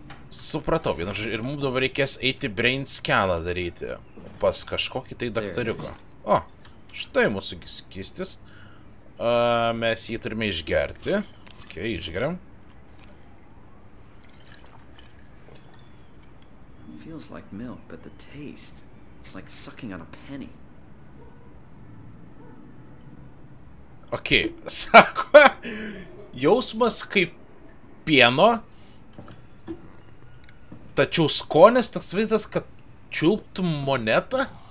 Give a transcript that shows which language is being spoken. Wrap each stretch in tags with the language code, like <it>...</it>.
<lt>Supratau, vienas žiūrėk, ir mums dabar reikės eiti brain scaną daryti pas kažkokį tai daktariuką. O, štai mūsų skystis. Mes jį turime išgerti. Ok, išgeriam.</lt> <en>Feels like milk, but the taste, it's like sucking on a penny.</en> <lt>Okay, sako, jausmas kaip pieno, tačiau skonis toks vaizdas, kad čiulptum monetą.</lt>